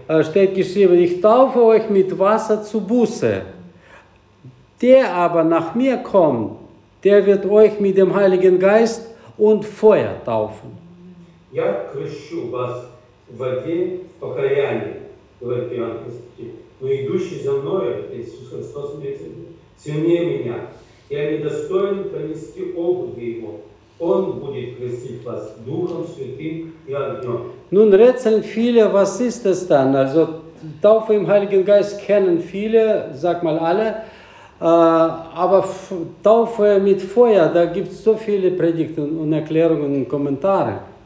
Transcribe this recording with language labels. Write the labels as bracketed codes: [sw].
[de] Steht geschrieben, ich taufe euch mit Wasser zu Buße. Der aber nach mir kommt, der wird euch mit dem Heiligen Geist und Feuer taufen. [ru] Я крещу вас в воде в покаянии, говорит Иоанн Креститель. Но идущий за мной, Иисус Христос, сильнее меня. Я не достоин принести обувь его. Он будет крестить вас Духом Святым и огнем. [de] Nun rätseln viele, was ist das dann? Also Taufe im Heiligen Geist kennen viele, sag mal alle, aber Taufe mit Feuer, da gibt es so viele Predigten und Erklärungen und Kommentare.